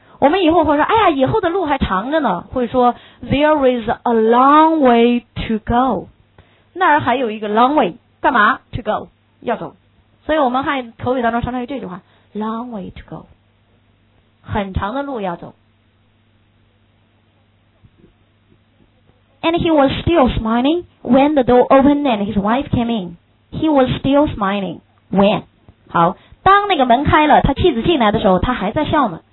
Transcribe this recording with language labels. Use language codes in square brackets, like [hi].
[zh] 我们以后会说哎呀以后的路还长着呢，会说 [en] there is a long way to go， [zh] 那儿还有一个 long way， 干嘛 to go， 要走。所以我们汉口语当中常常有这句话 [en] long way to go， [zh] 很长的路要走。 [en] and he was still smiling when the door opened and his wife came in， he was still smiling when， [zh] 好，当那个门开了，他妻子进来的时候，他还在笑呢。